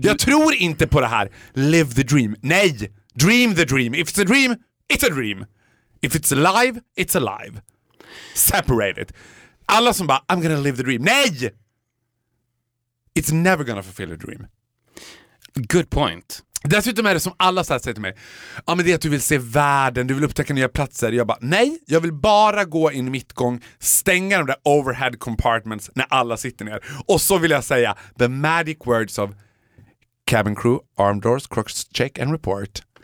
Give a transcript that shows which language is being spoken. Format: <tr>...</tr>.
<sv>jag tror inte på det här</sv> <en>live the dream.</en> <sv>Nej,</sv> <en>dream the dream. If it's a dream, it's a dream. If it's alive, it's alive. Separate it.</en> <sv>Alla som bara,</sv> <en>I'm gonna live the dream.</en> <sv>Nej!</sv> <en>It's never gonna fulfill a dream. Good point.</en> <sv>Dessutom är det som alla säger till mig, ja, men det är att du vill se världen, du vill upptäcka nya platser. Jag bara, nej, jag vill bara gå in i mittgång, stänga de där overhead compartments när alla sitter ner. Och så vill jag säga</sv> <en>the magic words of cabin crew, arm doors, crux check and report.</en>